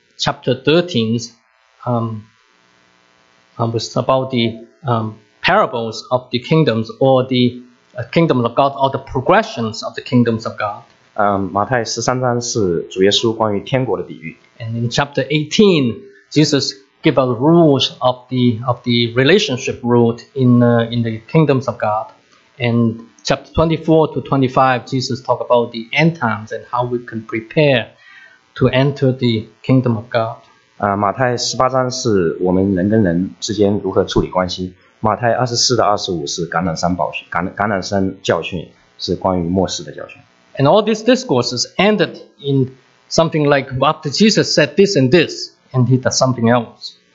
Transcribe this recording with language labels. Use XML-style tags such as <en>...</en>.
<en>Chapter 13 was about the parables of the kingdoms or the kingdom of God or the progressions of the kingdoms of God.</en> <zh>马太十三章是主耶稣关于天国的比喻。</zh> <en>And in chapter 18, Jesus gave us rules of the relationship root in the kingdoms of God. And chapter 24 to 25, Jesus talked about the end times and how we can prepare to enter the kingdom of God.</en> <zh>马太十八章是我们人跟人之间如何处理关系。马太24到25是橄榄山教训，是关于末世的教训。</zh> <en>And all these discourses ended in something like after Jesus said this and this, and he did something else.</en>